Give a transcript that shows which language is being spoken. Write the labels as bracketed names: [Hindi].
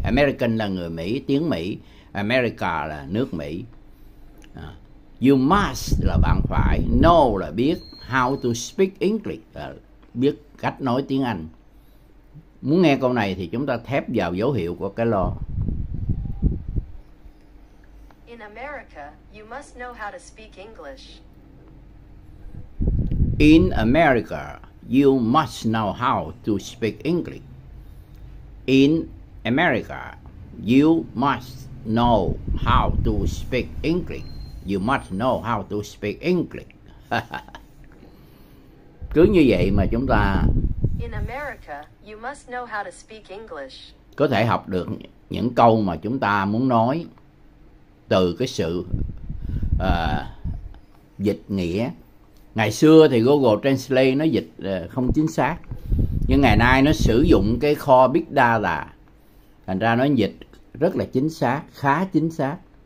[Vietnamese] American là người Mỹ, tiếng Mỹ. America là nước Mỹ. [English] You must [Vietnamese] là bạn phải. [English] Know [Vietnamese] là biết. [English] How to speak English [Vietnamese] là biết cách nói tiếng Anh. Muốn nghe câu này thì chúng ta thép vào dấu hiệu của cái lo. [English] In America, you must know how to speak English. In America, you must know how to speak English. In America, you must know how to speak English. You must know how to speak English. [Vietnamese] Cứ như vậy mà chúng ta [English] in America, you must know how to speak English. [Vietnamese] Có thể học được những câu mà chúng ta muốn nói từ cái sự dịch nghĩa. Ngày xưa thì Google Translate nó dịch không chính xác. Nhưng ngày nay nó sử dụng cái kho Big Data. Thành ra nó dịch rất là chính xác, khá chính xác.